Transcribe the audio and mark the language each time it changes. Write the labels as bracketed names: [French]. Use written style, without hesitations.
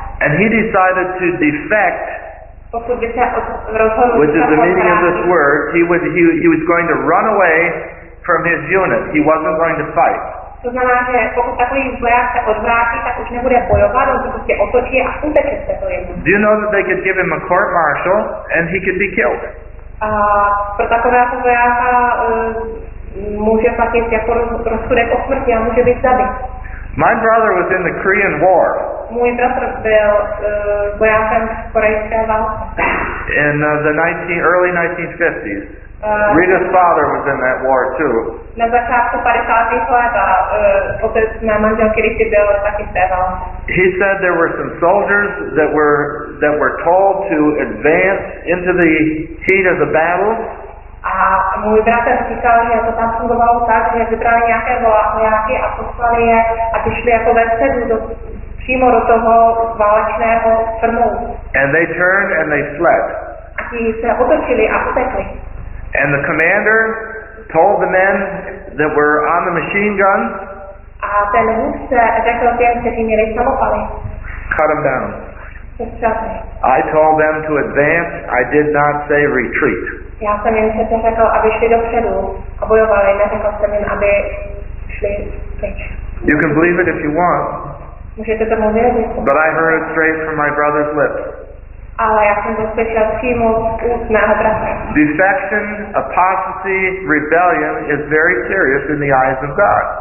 [English] and he decided to defect, [Czech] pokud by se rozhodl, [English] which is the meaning of this word, he was going to run away from his unit. He wasn't going to fight. [Czech] To znamená, že pokud takový voják se odvrátí, tak už nebude bojovat, on se prostě otočí a uteče se to jemu. [English] Do you know that they could give him a court martial and he could be killed? [Czech] A pro takového vojáka může platit jako rozsudek o smrti a může být zabit. [English] My brother was in the Korean War. [Czech] Můj bratr byl vojákem v korejské válce. [English] In the early 1950s. Rita's father was in that war too. [Czech] Na začátku 50. let a otec mé manželky Rity byl taky v té válce. [English] He said there were some soldiers that were told to advance into the heat of the battle. [Czech] A můj bratr říkal, že to tam fungovalo tak, že vybrali nějaké vojáky a poslali je a ty šli jako ve středu přímo do toho válečného frmu. [English] And they turned and they fled. [Czech] A ti se otočili a utekli. [English] And the commander told the men that were on the machine gun, [Czech] a ten vůdce řekl těm, kteří měli samopaly, [English] cut them down. I told them to advance, I did not say retreat. [Czech] Já jsem jim přece řekl, aby šli dopředu a bojovali, neřekl jsem jim, aby šli pryč. [English] You can believe it if you want. [Czech] Můžete tomu věřit. [English] But I heard it straight from my brother's lips. [Czech] Ale já jsem to slyšel přímo z úst mého bratra. [English] Defection, apostasy, rebellion is very serious in the eyes of God.